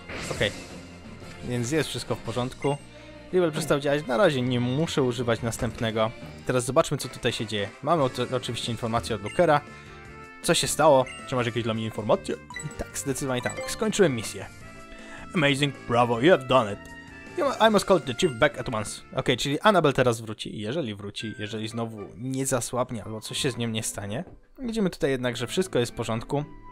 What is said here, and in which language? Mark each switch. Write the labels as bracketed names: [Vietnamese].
[Polish] Okej. Okay. Więc jest wszystko w porządku. Rival przestał działać. Na razie nie muszę używać następnego. Teraz zobaczmy, co tutaj się dzieje. Mamy oczywiście informację od Lukera. Co się stało? Czy masz jakieś dla mnie informacje? I tak, zdecydowanie tak. Skończyłem misję. [English] Amazing, bravo, you have done it. I must call the chief back at once. [Polish] Okej, czyli Annabelle teraz wróci. Jeżeli wróci, jeżeli znowu nie zasłabnie albo coś się z nim nie stanie. Widzimy tutaj jednak, że wszystko jest w porządku.